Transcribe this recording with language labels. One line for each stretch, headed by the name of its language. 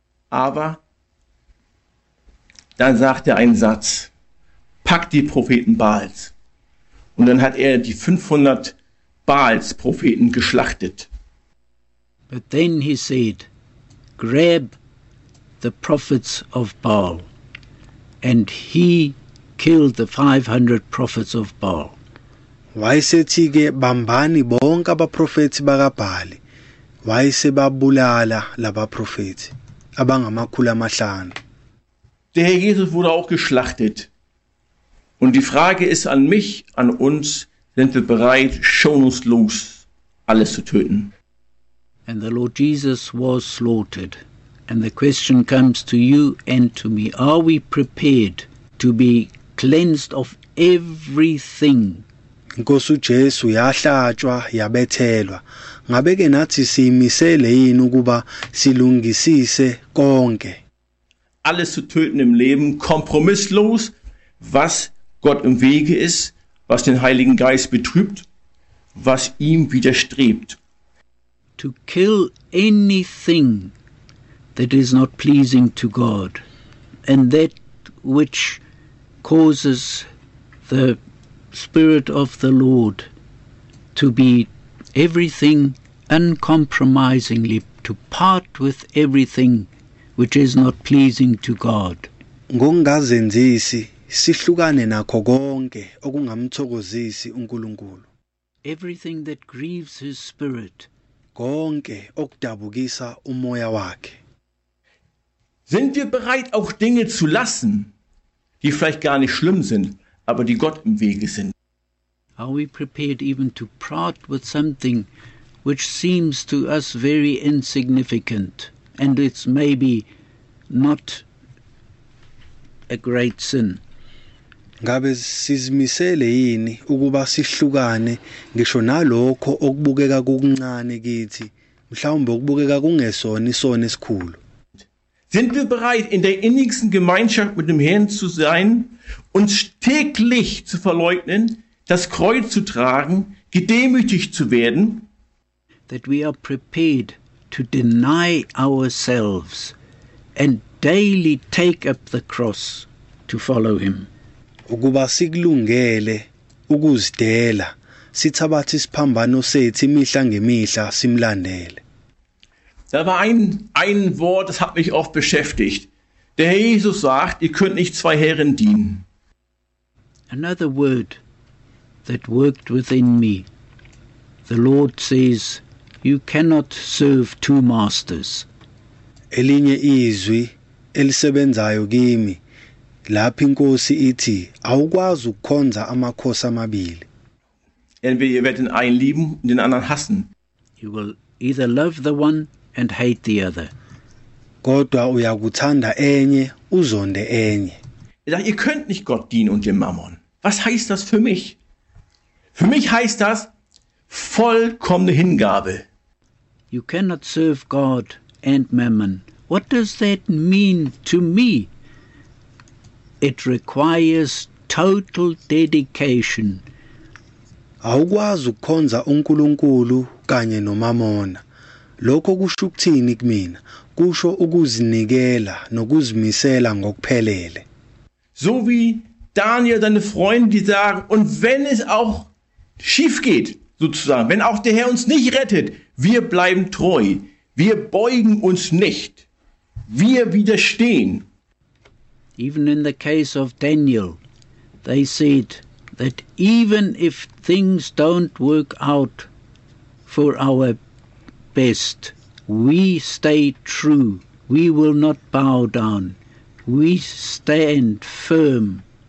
German: Aber dann sagt er einen Satz, pack die Propheten Baals. Und dann hat er die 500 Baals-Propheten geschlachtet.
English: But then he said, grab the prophets of Baal. And he killed the 500 prophets of Baal.
Zulu: Wayesethi-ke bambani bonke abaprofethi bakaBhali. Wayesebabulala labaprofethi abangamakhulu amahlanu.
German: Der Herr Jesus wurde auch geschlachtet. Und die Frage ist an mich, an uns, sind wir bereit, schonungslos alles zu töten?
English: And the Lord Jesus was slaughtered. And the question comes to you and to me. Are we prepared to be cleansed of everything?
Zulu: Nkosi Jesu yahlatshwa yabethelwa. Ngabe ke nathi siyimisele yini ukuba silungisise konke?
German: Alles zu töten im Leben, kompromisslos, was Gott im Wege ist, was den Heiligen Geist betrübt, was ihm widerstrebt.
English: To kill anything that is not pleasing to God and that which causes the Spirit of the Lord to be everything uncompromisingly, to part with everything which is not pleasing to God.
Zulu: Ngokungazenzisi sihlukane nakho konke okungamthokozisi uNkulunkulu.
English: Everything that grieves his spirit.
Zulu: Konke okudabukisa umoya wakhe.
German: Sind wir bereit, auch Dinge zu lassen, die vielleicht gar nicht schlimm sind, aber die Gott im Wege sind?
English: Are we prepared even to part with something which seems to us very insignificant? And it's maybe not a great sin.
Zulu: Ngabe sizimisele yini ukuba sihlukane ngisho nalokho okubukeka kokuncane kithi mhlawumbe okubukeka kungesona isono esikhulu.
German: Sind wir bereit, in der innigsten Gemeinschaft mit dem Herrn zu sein, uns täglich zu verleugnen, das Kreuz zu tragen, gedemütigt zu werden?
English: That we are prepared to deny ourselves and daily take up the cross to follow him.
Zulu: Ukuba sikulungele ukuzidela sithabathe isiphambano sethu imihla ngemihla simlandele.
German: Da war ein Wort, das hat mich oft beschäftigt. Der Herr Jesus sagt, ihr könnt nicht zwei Herren dienen.
English: Another word that worked within me. The Lord says, you cannot serve two masters.
Zulu: Elinye izwi elisebenzayo kimi lapha iNkosi ithi awukwazi ukukhonza amakhosi amabili.
German: Entweder ihr werdet den einen lieben und den anderen hassen.
English: You will either love the one and hate the other.
Zulu: Kodwa uyakuthanda enye uzonde enye.
German: Ihr könnt nicht Gott dienen und dem Mammon. Was heißt das für mich? Für mich heißt das vollkommene Hingabe.
English: You cannot serve God and Mammon. What does that mean to me? It requires total dedication.
Zulu: Awukwazi ukukhonza uNkulunkulu kanye noMamona. Lokho kusho ukuthini kumina? Kusho ukuzinikela nokuzimisela ngokuphelele.
German: So wie Daniel seine Freunde, die sagen, und wenn es auch schief geht, sozusagen, wenn auch der Herr uns nicht rettet, wir bleiben treu. Wir beugen uns nicht. Wir widerstehen.
English: Even in the case of Daniel, they said that even if things don't work out for our best, we stay true. We will not bow down. We stand firm.